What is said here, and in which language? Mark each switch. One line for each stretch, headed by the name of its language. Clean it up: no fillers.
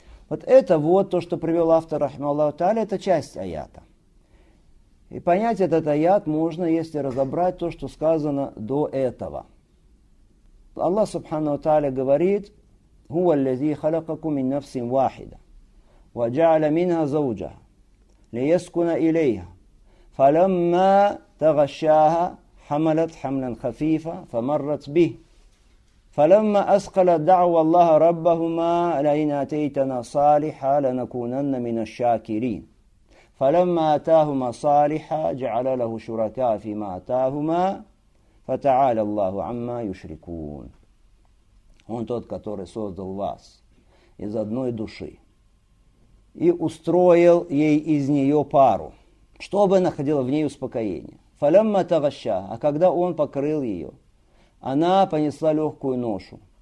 Russian: Вот это вот то, что привел автор, рахмаллаху тааля, это часть аята. И понять этот аят можно, если разобрать то, что сказано до этого. Аллах, субхану тааля, говорит,
Arabic: «Хуа аллази халакаку мин нафсин вахида, وجعل منها زوجها ليسكن إليها فلما تغشاها حملت حملا خفيفا فمرت به فلما أثقل دعوى الله ربهما لئن آتيتنا صالحا لنكونن من الشاكرين فلما آتاهما صالحا جعل له شركاء فيما آتاهما فتعالى الله عما يشركون.
Russian: Он тот, который создал вас из одной души и устроил ей из нее пару, чтобы находила в ней успокоение. Фалямма тагаща, а когда он покрыл ее, она понесла легкую ношу.